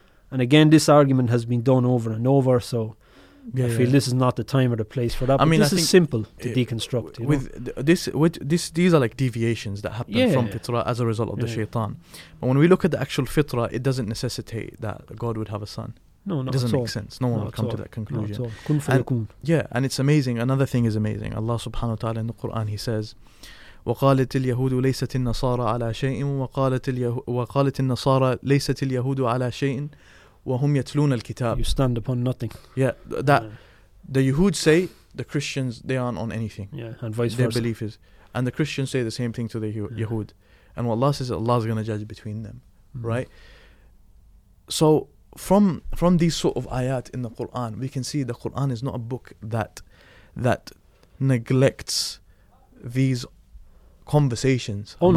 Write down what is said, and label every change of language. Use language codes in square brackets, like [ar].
[en] And again, this argument has been done over and over, so yeah, I feel this is not the time or the place for that. I mean, this is simple to deconstruct. These are like deviations that happen from fitrah as a result of the shaitan. But when we look at the actual fitrah, it doesn't necessitate that God would have a son. No, not it doesn't at make all. Sense. No one will come to that conclusion. [ar] Kun fayakun. [en] Yeah, and it's amazing. Another thing is amazing. Allah subhanahu wa ta'ala in the Quran, He says, [ar] وَقَالَتِ الْيَهُودُ لَيْسَتِ النَّصَارَى عَلَى شَيْءٍ وَقَالَتِ النَّصَارَى لَيْسَتِ الْيَهُودُ عَلَى شَيْءٍ وَهُمْ يَتْلُونَ الْكِتَابِ. [en] You stand upon nothing. Yeah, the Yahud say the Christians, they aren't on anything. Yeah, and vice versa. Their belief is. And the Christians say the same thing to the Yahud. And what Allah says, Allah is going to judge between them. Mm. Right? So, from these sort of ayat in the Quran, we can see the Quran is not a book that neglects these conversations.